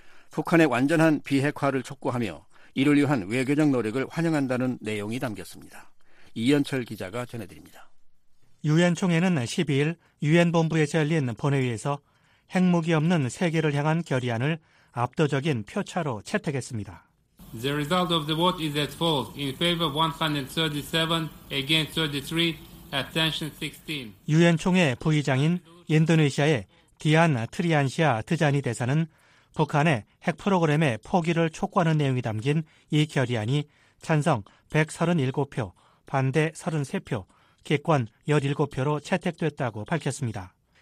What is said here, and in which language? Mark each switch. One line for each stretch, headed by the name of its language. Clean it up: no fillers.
Korean: 북한의 완전한 비핵화를 촉구하며 이를 위한 외교적 노력을 환영한다는 내용이 담겼습니다. 이현철 기자가 전해드립니다. 유엔 총회는 12일 유엔 본부에서 열린 본회의에서 핵무기 없는 세계를 향한 결의안을 압도적인 표차로 채택했습니다.
English: The result of the vote is as follows: in favor of 137, against 33, abstention 16.
Korean: 유엔 총회 부의장인 인도네시아의 디안 트리안시아 드자니 대사는 북한의 핵 프로그램의 포기를 촉구하는 내용이 담긴 이 결의안이 찬성 137표, 반대 33표, 기권 17표로 채택됐다고 밝혔습니다.